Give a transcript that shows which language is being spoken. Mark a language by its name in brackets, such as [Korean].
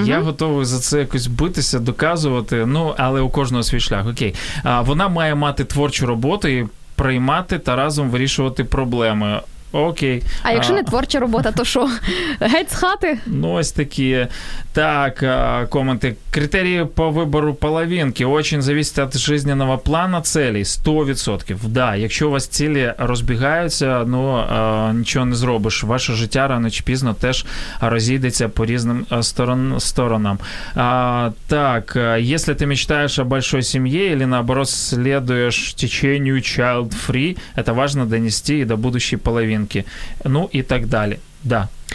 [Ukrainian] Я готовий за це якось битися, доказувати, ну, але у кожного свій шлях, окей. Вона має мати творчу роботу і приймати та разом вирішувати проблеми. Окей. А якщо не творча робота, то що? Геть з хати? Ну, ось такі. Так, коменти. Критерії по вибору половинки. [Russian] Очень зависит от жизненного плана целей. 100%. [Ukrainian] Да, якщо у вас цілі розбігаються, ну, нічого не зробиш. Ваше життя рано чи пізно теж розійдеться по різним сторонам. Так, якщо ти мечтаєш [Russian] о большой [Ukrainian] сім'ї [Russian] или наоборот [Ukrainian] слідуєш течению [English] child free, [Ukrainian] це важливо донести і до будущей половинки. Ну і так далі. Да.